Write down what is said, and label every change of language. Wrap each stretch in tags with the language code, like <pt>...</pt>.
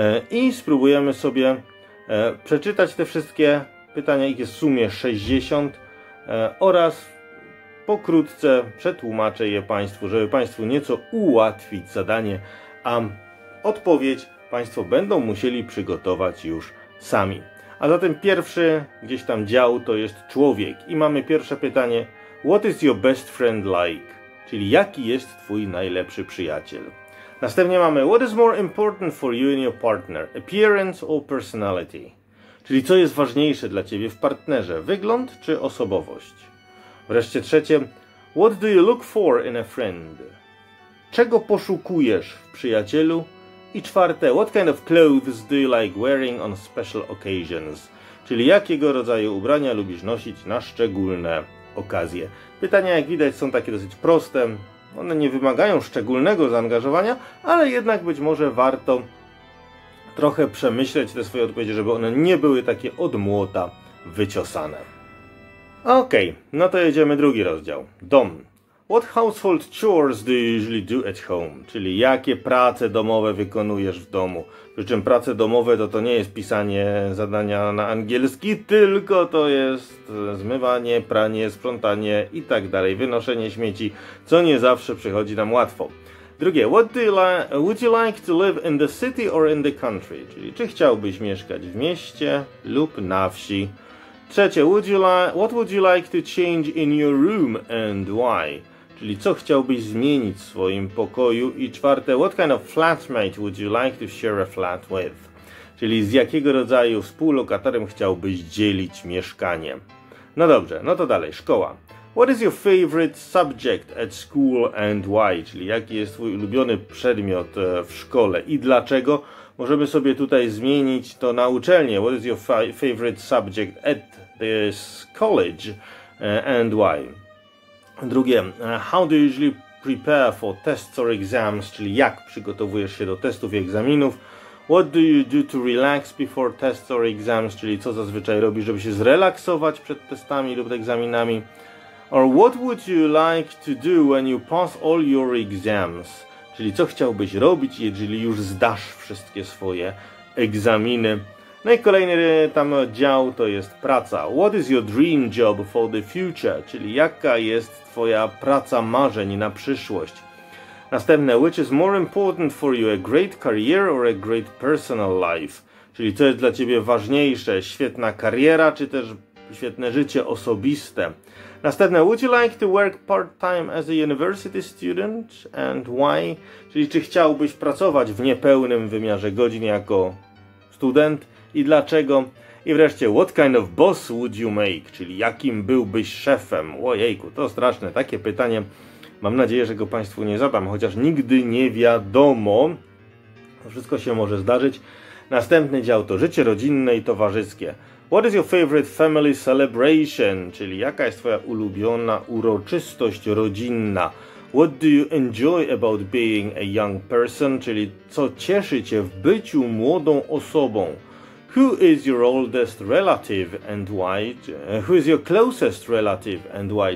<pl>I spróbujemy sobie przeczytać te wszystkie pytania, ich jest w sumie 60, oraz pokrótce przetłumaczę je państwu, żeby państwu nieco ułatwić zadanie, a odpowiedź państwo będą musieli przygotować już sami. A zatem pierwszy gdzieś tam dział to jest człowiek i mamy pierwsze pytanie:</pl> <en>What is your best friend like?</en> <pl>Czyli jaki jest twój najlepszy przyjaciel? Następnie mamy:</pl> <en>What is more important for you and your partner? Appearance or personality?</en> <pl>Czyli co jest ważniejsze dla ciebie w partnerze? Wygląd czy osobowość? Wreszcie trzecie.</pl> <en>What do you look for in a friend?</en> <pl>Czego poszukujesz w przyjacielu? I czwarte.</pl> <en>What kind of clothes do you like wearing on special occasions?</en> <pl>Czyli jakiego rodzaju ubrania lubisz nosić na szczególne okazje? Pytania, jak widać, są takie dosyć proste. One nie wymagają szczególnego zaangażowania, ale jednak być może warto trochę przemyśleć te swoje odpowiedzi, żeby one nie były takie od młota wyciosane. Okej, no to jedziemy drugi rozdział. Dom.</pl> <en>What household chores do you usually do at home?</en> <pl>Czyli jakie prace domowe wykonujesz w domu? Przy czym prace domowe to nie jest pisanie zadania na angielski, tylko to jest zmywanie, pranie, sprzątanie i tak dalej, wynoszenie śmieci, co nie zawsze przychodzi nam łatwo. Drugie,</pl> <en>would you like to live in the city or in the country?</en> <pl>Czyli czy chciałbyś mieszkać w mieście lub na wsi? Trzecie,</pl> <en>what would you like to change in your room and why?</en> <pl>Czyli co chciałbyś zmienić w swoim pokoju? I czwarte,</pl> <en>what kind of flatmate would you like to share a flat with?</en> <pl>Czyli z jakiego rodzaju współlokatorem chciałbyś dzielić mieszkanie? No dobrze, no to dalej, szkoła.</pl> <en>What is your favorite subject at school and why?</en> <pl>Czyli jaki jest twój ulubiony przedmiot w szkole i dlaczego? Możemy sobie tutaj zmienić to na uczelnię.</pl> <en>What is your favorite subject at this college and why?</en> <pl>Drugie,</pl> <en>how do you usually prepare for tests or exams?</en> <pl>Czyli jak przygotowujesz się do testów i egzaminów?</pl> <en>What do you do to relax before tests or exams?</en> <pl>Czyli co zazwyczaj robisz, żeby się zrelaksować przed testami lub egzaminami?</pl> <en>Or what would you like to do when you pass all your exams?</en> <pl>Czyli co chciałbyś robić, jeżeli już zdasz wszystkie swoje egzaminy? No i kolejny tam dział to jest praca.</pl> <en>What is your dream job for the future?</en> <pl>Czyli jaka jest twoja praca marzeń na przyszłość? Następne,</pl> <en>which is more important for you, a great career or a great personal life?</en> <pl>Czyli co jest dla ciebie ważniejsze, świetna kariera czy też świetne życie osobiste? Następne,</pl> <en>would you like to work part-time as a university student and why?</en> <pl>Czyli czy chciałbyś pracować w niepełnym wymiarze godzin jako student i dlaczego? I wreszcie,</pl> <en>what kind of boss would you make?</en> <pl>Czyli jakim byłbyś szefem? Ojejku, to straszne takie pytanie. Mam nadzieję, że go Państwu nie zadam, chociaż nigdy nie wiadomo. Wszystko się może zdarzyć. Następny dział to życie rodzinne i towarzyskie.</pl> <en>What is your favorite family celebration?</en> <pl>Czyli jaka jest twoja ulubiona uroczystość rodzinna?</pl> <en>What do you enjoy about being a young person?</en> <pl>Czyli co cieszy cię w byciu młodą osobą?</pl> <en>Who is your oldest relative and why? Who is your closest relative and why?</en>